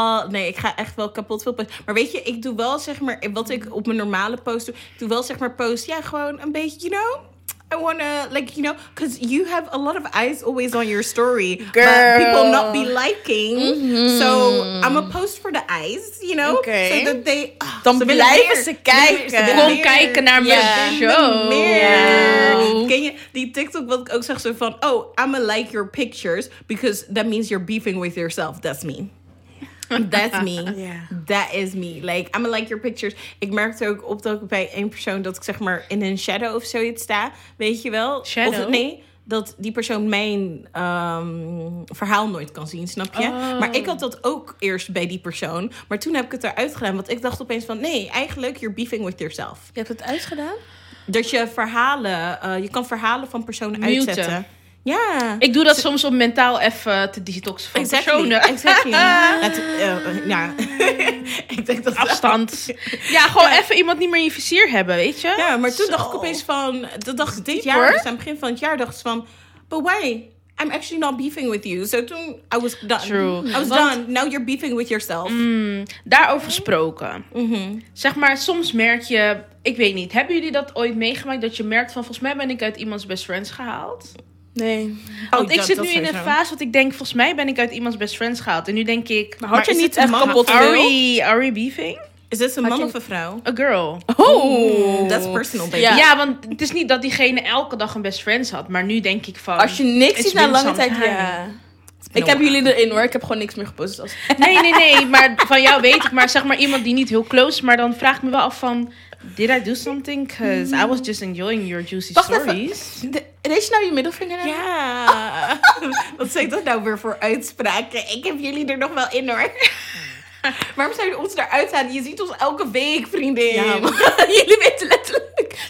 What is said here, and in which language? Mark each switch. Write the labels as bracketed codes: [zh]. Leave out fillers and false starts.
[nl] Nee, ik ga echt wel kapot veel posten. Maar weet je, ik doe wel, zeg maar, wat ik op mijn normale post doe. Ik doe wel, zeg maar, post, ja, gewoon een beetje, [en] you know. I wanna, like, you know, because you have a lot of eyes always on your story. Girl. But people not be liking. Mm-hmm. So, I'm a post for the eyes, you know. Okay. So that they... [nl] Dan ze blijven meer, ze kijken. Gewoon kijken naar mijn show. [en] Yeah. [nl] Ken je die TikTok wat ik ook zeg zo van... [en] Oh, I'm a like your pictures. Because that means you're beefing with yourself. That's me. That's me. Yeah. That is me. Like, I'm a like your pictures. [nl] Ik merkte ook op dat ik bij één persoon dat ik zeg maar in een shadow of zoiets sta. Weet je wel? [en] Shadow? [nl] Of nee, dat die persoon mijn verhaal nooit kan zien, snap je? Oh. Maar ik had dat ook eerst bij die persoon. Maar toen heb ik het eruit gedaan. Want ik dacht opeens van, nee, eigenlijk, [en] you're beefing with yourself. [nl] Je hebt het uitgedaan? Dat je verhalen, je kan verhalen van personen muten. Uitzetten. Ja. Ik doe dat soms om mentaal even te detoxen van [en] exactly. [nl] personen. [en] Exactly. [nl] ja. Ik denk dat afstand. Ja, gewoon even iemand niet meer in je vizier hebben, weet je? Ja, maar toen dacht ik opeens van... Dat dacht ik dit jaar, dus aan het begin van het jaar dacht ik van... [en] But why? I'm actually not beefing with you. So toen, I was done. True. I was done. Now you're beefing with yourself. [nl] Daarover gesproken. Mm-hmm. Zeg maar, soms merk je... Ik weet niet, hebben jullie dat ooit meegemaakt? Dat je merkt van, volgens mij ben ik uit iemands best friends gehaald. Nee. Want ik zit nu in een fase dat ik denk, volgens mij ben ik uit iemands best friends gehaald. En nu denk ik... Maar had je is niet echt kapot [en] are we beefing? [nl] Is dit een man of een vrouw? [en] A girl. Oh. That's personal, baby. Yeah. [nl] Ja, want het is niet dat diegene elke dag een best friends had. Maar nu denk ik van... Als je niks ziet na lange tijd... Ja. Ik heb jullie erin hoor. Ik heb gewoon niks meer gepost. Als... Nee. Maar van jou weet ik. Maar zeg maar iemand die niet heel close. Maar dan vraag ik me wel af van... [en] Did I do something? Because I was just enjoying your juicy stories. [nl] Deed je nou je middelvinger naar? Ja. Wat zijn dat nou weer voor uitspraken? Ik heb jullie er nog wel in hoor. Waarom zou je ons eruit halen? Je ziet ons elke week, vriendin. Ja, jullie weten letterlijk.